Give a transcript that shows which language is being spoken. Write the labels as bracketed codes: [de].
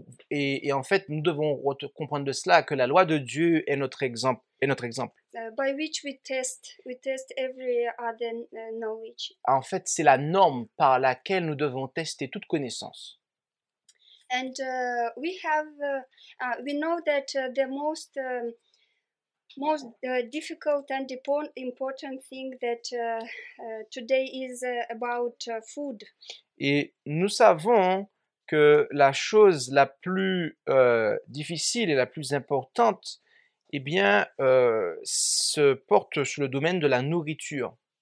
[fr] Et en fait, nous devons comprendre de cela que la loi de Dieu est notre exemple. [en] By which we test every other knowledge. [fr] En fait, c'est la norme par laquelle nous devons tester toute connaissance. [en] And we have, we know that the most most difficult and important thing that today is about food. [fr] Et nous savons que la chose la plus difficile et la plus importante, eh bien, se porte sur le domaine de la nourriture.